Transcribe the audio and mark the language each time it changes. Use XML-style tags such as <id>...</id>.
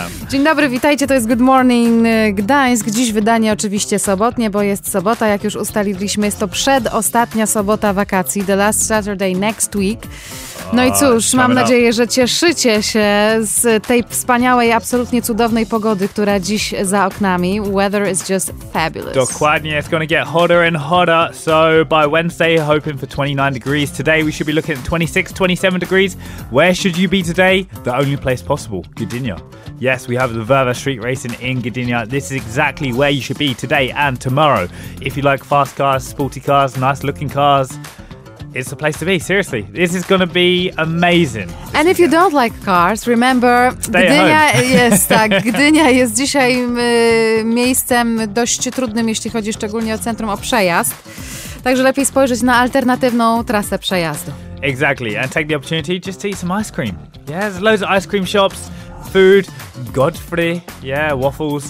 <pl>Dzień dobry, witajcie, to jest Good Morning Gdańsk. Dziś wydanie oczywiście sobotnie, bo jest sobota, jak już ustaliliśmy. Jest to przedostatnia sobota wakacji,</pl> <en>the last Saturday next week.</en> <pl>No i cóż, mam nadzieję, że cieszycie się z tej wspaniałej, absolutnie cudownej pogody, która dziś za oknami.</pl> <en>Weather is just fabulous. Dokładnie, it's gonna get hotter and hotter. So by Wednesday, hoping for 29 degrees. Today we should be looking at 26, 27 degrees. Where should you be today? The only place possible, Gdynia. Yes, we have the Verva Street Racing in Gdynia. This is exactly where you should be today and tomorrow. If you like fast cars, sporty cars, nice looking cars, it's the place to be, seriously. This is going to be amazing. And if you don't like cars, remember, Gdynia, yes,</en> <pl>tak, Gdynia jest dzisiaj miejscem dość trudnym, jeśli chodzi szczególnie o centrum, o przejazd. Także lepiej spojrzeć na alternatywną trasę przejazdu.</pl> <en>Exactly, and take the opportunity just to eat some ice cream. Yeah, there's loads of ice cream shops, food, Godfrey, yeah, waffles.</en>